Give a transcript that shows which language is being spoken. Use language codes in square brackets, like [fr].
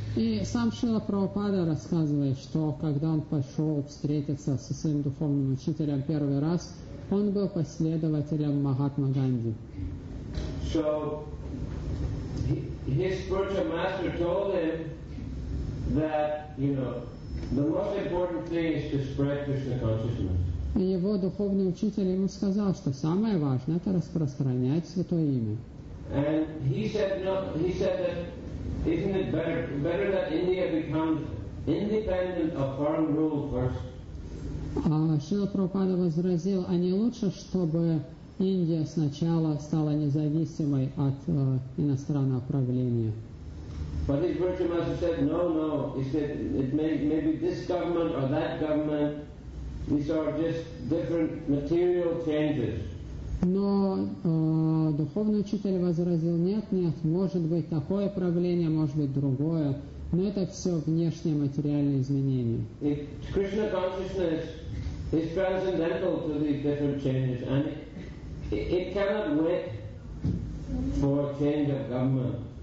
[ru] И сам Шрила Прабхупада рассказывает, что когда он пошел встретиться со своим духовным учителем первый раз, он был последователем Махатмы Ганди. [en] So his spiritual master told him that, you know, the most important thing is to spread Krishna consciousness. [ru] И его духовный учитель ему сказал, что самое важное — это распространять Святое Имя. [en] And he said, no, he said that isn't it better that India becomes independent of foreign rule first? [ru] А Шрила Прабхупада возразил, а не лучше, чтобы Индия сначала стала независимой от иностранного правления? [en] But his spiritual master said, no. He said, it may be this government or that government. These are just different material changes. [ru] Но духовный учитель возразил, нет, может быть такое правление, может быть другое, но это все внешние материальные изменения. [en] If Krishna consciousness is transcendental to these different changes, and it cannot wait for a change of government.